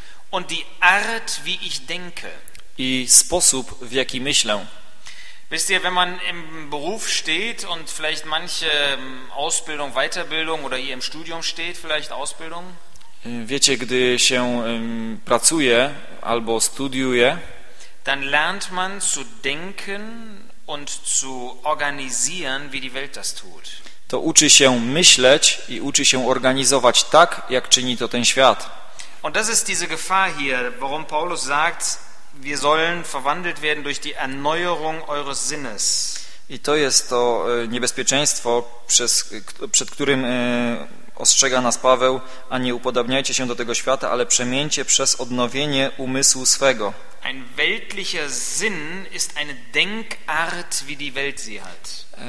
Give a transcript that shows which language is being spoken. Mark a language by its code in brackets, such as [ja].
[de] Und die Art, wie ich denke. [pl] I sposób, w jaki myślę. [de] Wisst ihr, wenn man im Beruf steht und vielleicht manche Ausbildung, Weiterbildung oder hier im Studium steht, vielleicht Ausbildung? [pl] Wiecie, gdy się pracuje albo studiuje, [de] dann lernt man zu denken und zu organisieren, wie die Welt das tut. [pl] To uczy się myśleć i uczy się organizować tak, jak czyni to ten świat. [de] Und das ist diese Gefahr hier, warum Paulus sagt, wir sollen verwandelt werden durch die Erneuerung eures Sinnes. [pl] I to jest to niebezpieczeństwo, przed którym ostrzega nas Paweł, a nie upodabniajcie się do tego świata, ale przemieńcie przez odnowienie umysłu swego. [de] Ein weltlicher Sinn ist eine Denkart, wie die Welt sie hat.